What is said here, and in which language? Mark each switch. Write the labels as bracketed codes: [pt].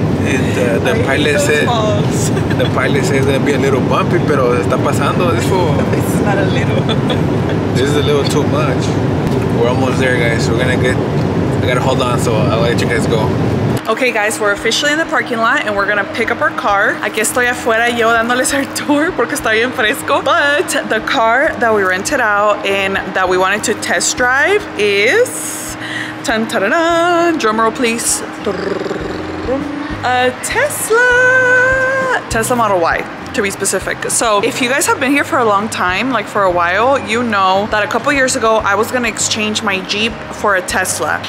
[en] And the pilot said it's gonna be a little bumpy, [es] pero está pasando. [en] This is not a little. This is a little too much. We're almost there, guys. We're gonna get. I gotta hold on, so I'll let you guys go. Okay guys, we're officially in the parking lot and we're gonna pick up our car. [es] Aquí estoy afuera yo dándoles el tour porque está bien fresco. [en] But the car that we rented out and that we wanted to test drive is, dun, dun, dun, dun, drum roll please. A Tesla. Tesla Model Y, to be specific. So if you guys have been here for a long time, like for a while, you know that a couple years ago, I was gonna exchange my Jeep for a Tesla.